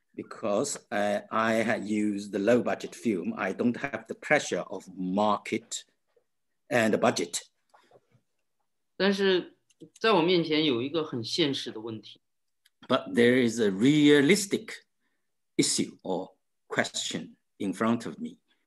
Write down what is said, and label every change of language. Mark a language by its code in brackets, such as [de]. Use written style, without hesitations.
[en] because I use the low budget film, I don't have the pressure of market and budget. [zh] 但是在我面前有一个很现实的问题。 [en] But there is a realistic issue or question in front of me.